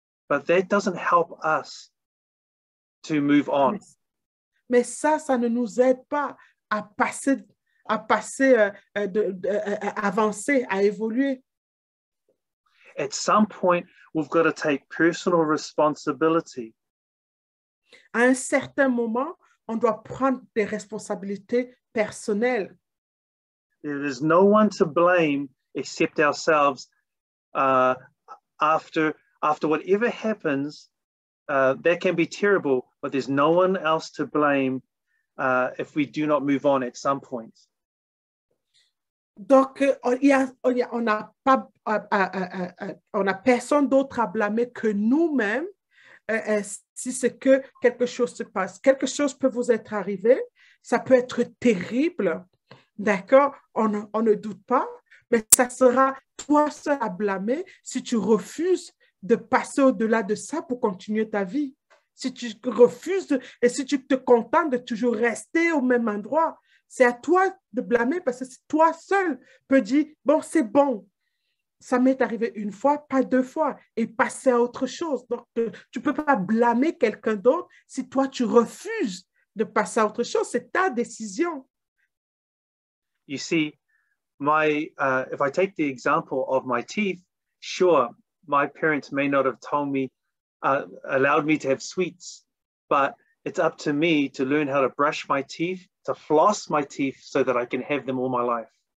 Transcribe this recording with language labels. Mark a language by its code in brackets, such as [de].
[en] But that doesn't help us to move on. [fr] Mais ça, ça ne nous aide pas à avancer, à évoluer. [en] At some point, we've got to take personal responsibility. [fr] À un certain moment, on doit prendre des responsabilités personnelles. [en] There is no one to blame except ourselves. After whatever happens, that can be terrible, but there's no one else to blame if we do not move on at some point. [fr] Donc, on a personne d'autre à blâmer que nous-mêmes. Si c'est que quelque chose se passe, quelque chose peut vous être arrivé, ça peut être terrible, d'accord, on ne doute pas, mais ça sera toi seul à blâmer si tu refuses de passer au-delà de ça pour continuer ta vie. Si tu refuses et si tu te contentes de toujours rester au même endroit, c'est à toi de blâmer parce que toi seul peux dire, bon, c'est bon. Ça m'est arrivé une fois, pas deux fois, et passer à autre chose. Donc, tu ne peux pas blâmer quelqu'un d'autre si toi, tu refuses de passer à autre chose. C'est ta décision. [en] You see, if I take the example of my teeth, sure, my parents may not have told me, allowed me to have sweets, but it's up to me to learn how to brush my teeth, to floss my teeth so that I can have them all my life.